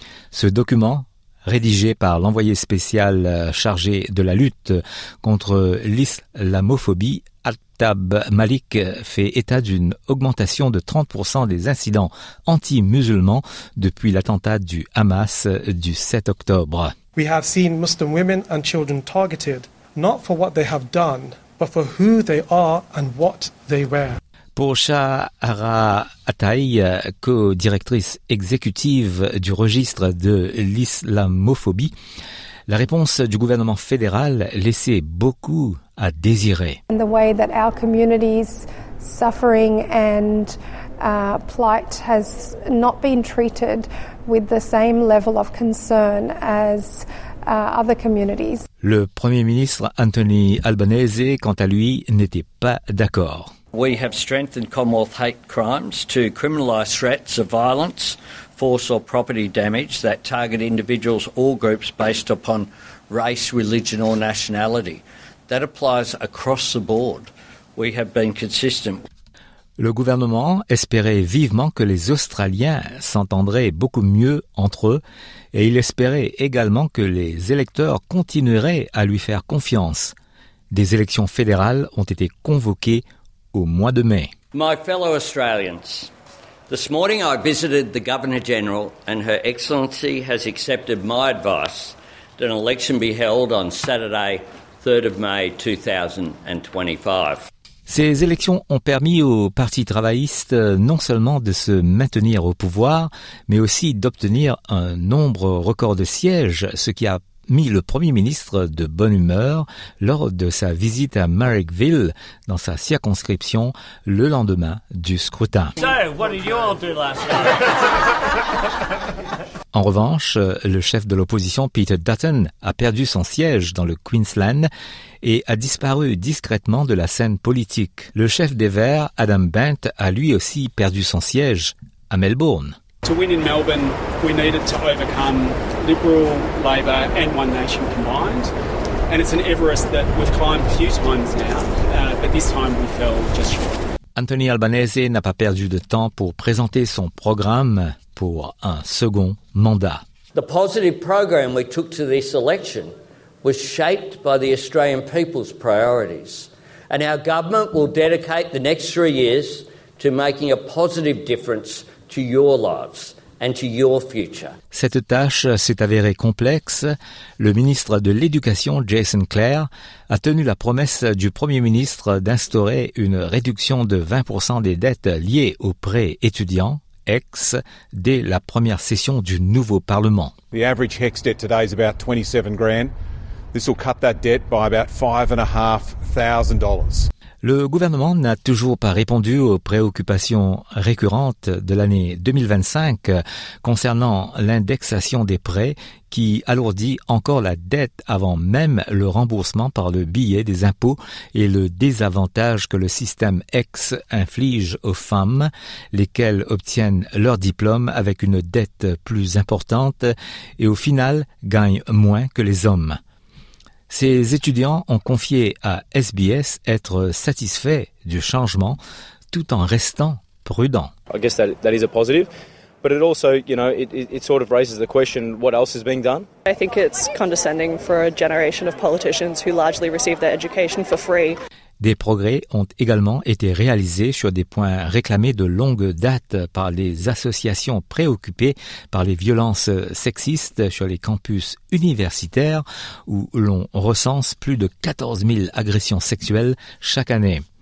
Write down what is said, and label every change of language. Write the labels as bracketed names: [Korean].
[French] Ce document, rédigé par l'envoyé spécial chargé de la lutte contre l'islamophobie, Altab Malik, fait état d'une augmentation de 30% des incidents anti-musulmans depuis l'attentat du Hamas du 7 octobre. [English] We have seen Muslim women and children targeted. Not for what they have done, but for who they are and what they wear. [French] Pour Shahara Atai, co-directrice exécutive du registre de l'islamophobie, la réponse du gouvernement fédéral laissait beaucoup à désirer. [English] And the way that our community's suffering and plight has not been treated with the same level of concern as other communities. [French] Le Premier ministre Anthony Albanese, quant à lui, n'était pas d'accord. [English] We have strengthened Commonwealth hate crimes to criminalise threats of violence, force or property damage that target individuals or groups based upon race, religion or nationality. That applies across the board. We have been consistent. [French] Le gouvernement espérait vivement que les Australiens s'entendraient beaucoup mieux entre eux et il espérait également que les électeurs continueraient à lui faire confiance. Des élections fédérales ont été convoquées au mois de mai. [English] My fellow Australians, this morning I visited the Governor-General and Her Excellency has accepted my advice that an election be held on Saturday, 3rd of May 2025. [French] Ces élections ont permis au Parti travailliste non seulement de se maintenir au pouvoir, mais aussi d'obtenir un nombre record de sièges, ce qui a mis le Premier ministre de bonne humeur lors de sa visite à Marrickville dans sa circonscription le lendemain du scrutin. [English] So, what did you all do last night? [French] En revanche, le chef de l'opposition, Peter Dutton, a perdu son siège dans le Queensland et a disparu discrètement de la scène politique. Le chef des Verts, Adam Bent, a lui aussi perdu son siège à Melbourne. [English] To win in Melbourne, we needed to overcome Liberal, Labor and One Nation combined. And it's an Everest that we've climbed a few times now, but this time we fell just short. [French] Anthony Albanese n'a pas perdu de temps pour présenter son programme pour un second mandat. [English] The positive program we took to this election was shaped by the Australian people's priorities. And our government will dedicate the next 3 years to making a positive difference to your lives and to your future. [French] Cette tâche s'est avérée complexe. Le ministre de l'Éducation, Jason Clare, a tenu la promesse du Premier ministre d'instaurer une réduction de 20% des dettes liées aux prêts étudiants. Ex dès la première session du nouveau Parlement. [English] The average HEX debt today is about 27 grand. This will cut that debt by about $5,500. [French] Le gouvernement n'a toujours pas répondu aux préoccupations récurrentes de l'année 2025 concernant l'indexation des prêts qui alourdit encore la dette avant même le remboursement par le biais des impôts et le désavantage que le système X inflige aux femmes, lesquelles obtiennent leur diplôme avec une dette plus importante et au final gagnent moins que les hommes. Ces étudiants ont confié à SBS être satisfaits du changement tout en restant prudents. [English] I guess that is a positive, but it also, you know, it sort of raises the question what else is being done. I think it's condescending for a generation of politicians who largely receive their education for free. [French] Des progrès ont également été réalisés sur des points réclamés de longue date par les associations préoccupées par les violences sexistes sur les campus universitaires où l'on recense plus de 14 000 agressions sexuelles chaque année.